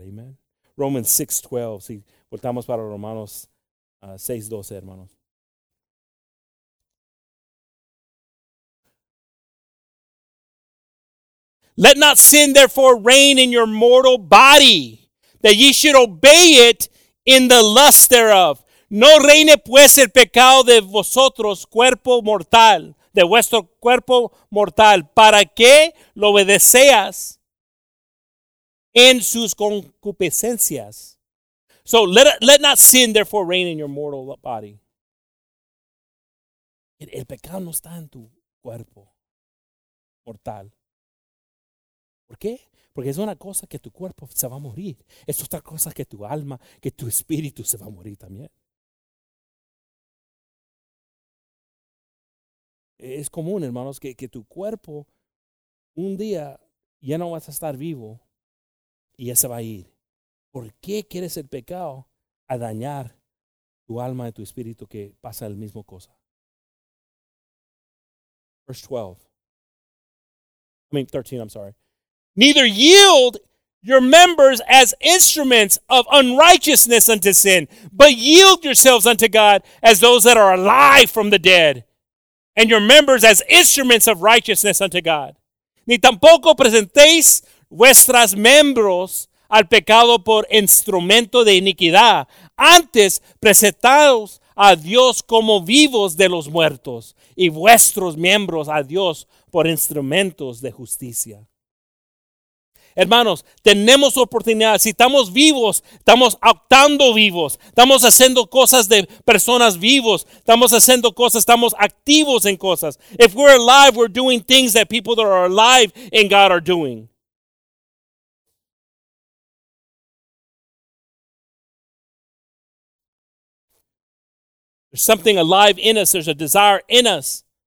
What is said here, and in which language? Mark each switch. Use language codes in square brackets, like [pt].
[es] Amen. Romans 6:12. Si voltamos para Romanos 6:12, hermanos. [en] Let not sin therefore reign in your mortal body, that ye should obey it in the lust thereof. [es] No reine pues el pecado de vosotros cuerpo mortal. De vuestro cuerpo mortal, para que lo obedeceas en sus concupiscencias. [en] So let not sin therefore reign in your mortal body. [es] El pecado no está en tu cuerpo mortal. ¿Por qué? Porque es una cosa que tu cuerpo se va a morir. Es otra cosa que tu alma, que tu espíritu se va a morir también. Es común, hermanos, que tu cuerpo un día ya no vas a estar vivo y ya se va a ir. ¿Por qué quieres el pecado a dañar tu alma y tu espíritu que pasa la misma cosa? [en] Verse 13. Neither yield your members as instruments of unrighteousness unto sin, but yield yourselves unto God as those that are alive from the dead, and your members as instruments of righteousness unto God. [es] Ni tampoco presentéis vuestras miembros al pecado por instrumento de iniquidad, antes presentaos a Dios como vivos de los muertos, y vuestros miembros a Dios por instrumentos de justicia. Hermanos, tenemos oportunidad. Si estamos vivos, estamos actando vivos, estamos haciendo cosas de personas vivos, estamos haciendo cosas, estamos activos en cosas. [en] If we're alive, we're doing things that people that are alive in God are doing. There's something alive in us. There's a desire in us.